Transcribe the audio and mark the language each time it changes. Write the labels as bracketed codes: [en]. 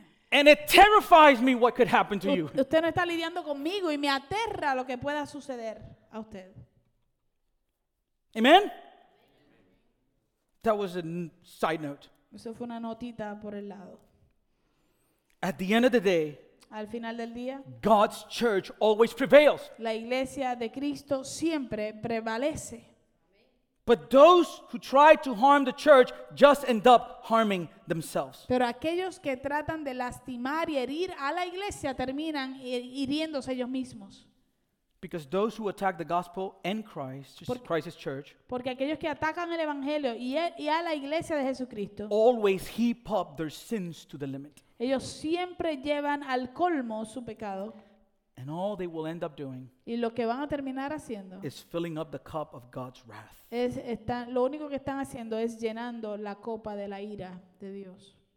[en] And it terrifies me what could happen to you. [es] Usted no está lidiando conmigo y me aterra lo que pueda suceder a usted. [en] Amen. That was a side note. [es] Eso fue una notita por el lado. [en] At the end of the day, [es] al final del día, [en] God's church always prevails. [es] La iglesia de Cristo siempre prevalece. [en] But those who try to harm the church just end up harming themselves. [es] Pero aquellos que tratan de lastimar y herir a la iglesia terminan hiriéndose ellos mismos. [en] Because those who attack the gospel and Christ, Christ's church, [es] porque aquellos que atacan el evangelio y a la iglesia de Jesucristo, [en] always heap up their sins to the limit. [es] Ellos siempre llevan al colmo su pecado. [en] And all they will end up doing, [es] y lo que van a terminar haciendo, [en] is filling up the cup of God's wrath. [es] Es están, lo único que están haciendo es llenando la copa de la ira de Dios.